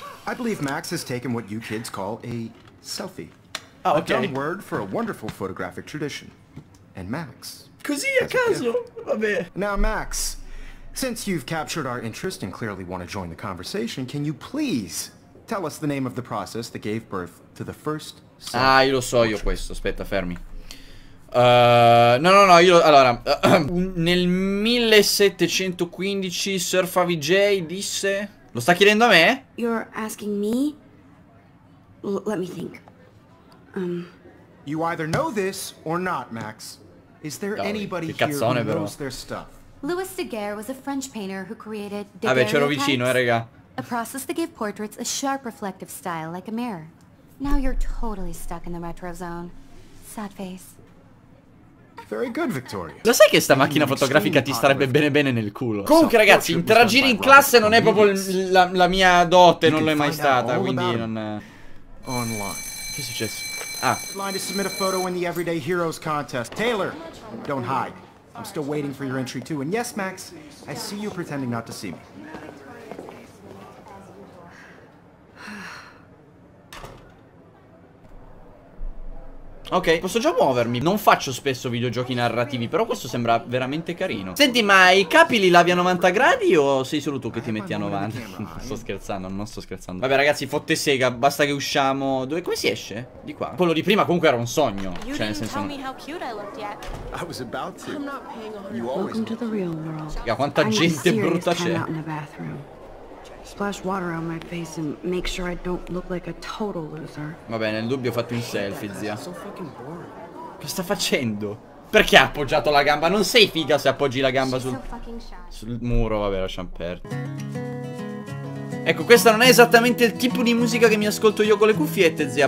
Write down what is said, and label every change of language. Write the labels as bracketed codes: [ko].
[en] I believe Max has taken what you kids call a selfie. Ah, okay. A dumb word for a wonderful photographic tradition. And Max. [it] Così a caso? Vabbè. [en] Now Max, since you've captured our interest and clearly want to join the conversation, can you please tell us the name of the process that gave birth to the first selfie? [it] Ah, io lo so io questo, aspetta, fermi. No, io allora nel 1715 Sir FabiJ disse. Lo sta chiedendo a me? [en] You're asking me? Let me think. You either know this or not, Max. Is there anybody here who knows their stuff? Louis Daguerre was a French painter who created daguerreotypes. A process that gave portraits a sharp reflective style like a mirror. Now you're totally stuck in the retro zone. Sad face. Very good, Victoria. [it] Lo sai che sta macchina fotografica ti starebbe bene bene nel culo? Comunque ragazzi, interagire in classe non è proprio la mia dote, non l'è mai stata, quindi non... [en] Online. [it] Che è successo? Ah. [en] Line to submit a photo in the Everyday Heroes contest. Taylor, don't hide. I'm still waiting for your entry too. And yes, Max, I see you pretending not to see me. Ah, [it] Ok, posso già muovermi. Non faccio spesso videogiochi narrativi, però questo sembra veramente carino. Senti, ma i capi li lavi a 90 gradi o sei solo tu che ti metti a 90? Sto scherzando, non sto scherzando. Vabbè ragazzi, fotte sega, basta che usciamo. Dove, come si esce? Di qua. Quello di prima comunque era un sogno. Cioè nel senso, non... Raga, quanta gente brutta c'è. [en] Splash water on my face and make sure I don't look like a total loser. [it] Va bene, nel dubbio ho fatto un selfie, zia. Cosa sta facendo? Perché ha appoggiato la gamba? Non sei figa se appoggi la gamba sul muro, vabbè, lasciamo perdere. Ecco, questa non è esattamente il tipo di musica che mi ascolto io con le cuffiette, zia.